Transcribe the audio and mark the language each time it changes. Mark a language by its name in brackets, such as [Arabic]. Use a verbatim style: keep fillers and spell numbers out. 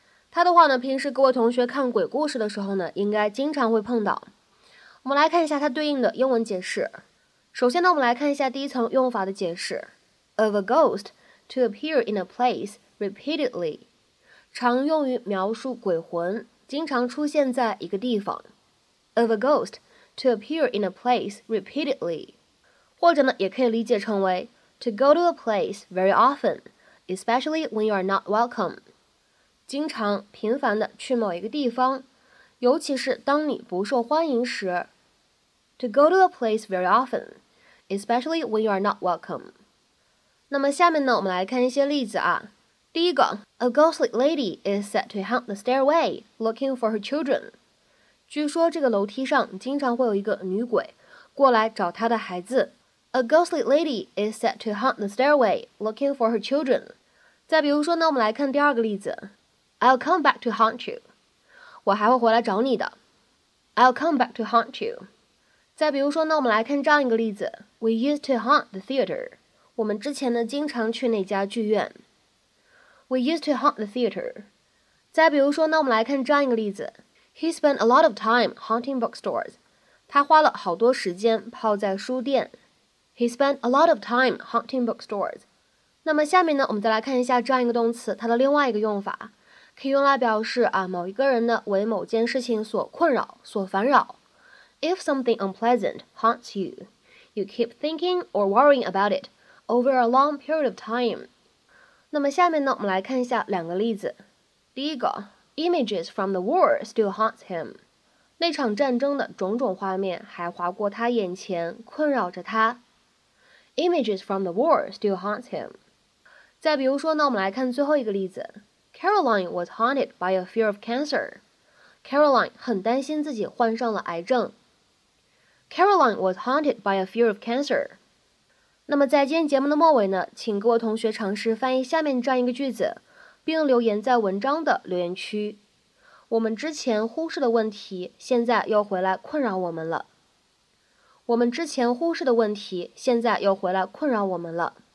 [Chinese] 它的话呢，平时各位同学看鬼故事的时候呢，应该经常会碰到。我们来看一下它对应的英文解释。首先呢，我们来看一下第一层用法的解释 ， [English] of a ghost to appear in a place repeatedly， [Chinese] 常用于描述鬼魂经常出现在一个地方。 [English] of a ghost to appear in a place repeatedly， [Chinese] 或者呢，也可以理解成为 [English] to go to a place very often, especially when you are not welcome， [Chinese] 经常频繁的去某一个地方，尤其是当你不受欢迎时。 [English] To go to a place very often, especially when you are not welcome. [Chinese] 那么下面呢，我们来看一些例子啊。 [English] 第一个 ，A ghostly lady is said to haunt the stairway, looking for her children. [Chinese] 据说这个楼梯上经常会有一个女鬼过来找她的孩子。 [English] A ghostly lady is said to haunt the stairway, looking for her children. [Chinese] 再比如说呢，我们来看第二个例子 ， [English] I'll come back to haunt you. [Chinese] 我还会回来找你的。 [English] I'll come back to haunt you. [Chinese] 再比如说呢，我们来看这样一个例子 ， [English] We used to haunt the theater. [Chinese] 我们之前呢经常去那家剧院。 [English] We used to haunt the theater. [Chinese] 再比如说呢，我们来看这样一个例子 [English] ，He spent a lot of time haunting bookstores. [Chinese] 他花了好多时间泡在书店。 [English] He spent a lot of time haunting bookstores. [Chinese] 那么下面呢，我们再来看一下这样一个动词，它的另外一个用法，可以用来表示啊某一个人呢为某件事情所困扰、所烦扰。 [English] If something unpleasant haunts you, you keep thinking or worrying about it over a long period of time. [Chinese] 那么下面呢，我们来看一下两个例子。 [English] 第一个 ，Images from the war still haunts him. [Chinese] 那场战争的种种画面还划过他眼前，困扰着他。 [English] Images from the war still haunts him. [Chinese] 再比如说呢，我们来看最后一个例子 [English] ，Caroline was haunted by a fear of cancer. [Chinese] Caroline 很担心自己患上了癌症。 [English] Caroline was haunted by a fear of cancer. [Chinese] 那么在今天节目的末尾呢，请各位同学尝试翻译下面这样一个句子，并留言在文章的留言区。我们之前忽视的问题，现在又回来困扰我们了。我们之前忽视的问题，现在又回来困扰我们了。